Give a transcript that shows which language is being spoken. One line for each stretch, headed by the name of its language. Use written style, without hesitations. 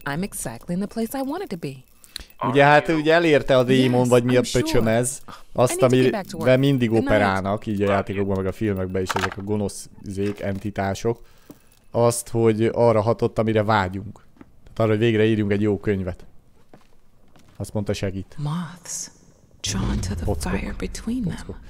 English: I'm exactly in the place I wanted to be.
Hungarian: Ugye hát ugye elérte a démon,
English: yes,
Hungarian: vagy mi a pöcsöm ez, azt, amire mindig operálnak, így a játékokban, meg a filmekben is ezek a gonosz zék, entitások, azt, hogy arra hatott, amire vágyunk. Tehát arra, hogy végre írjunk egy jó könyvet. Azt mondta, segít.
English: Moths, drawn to the fire between them.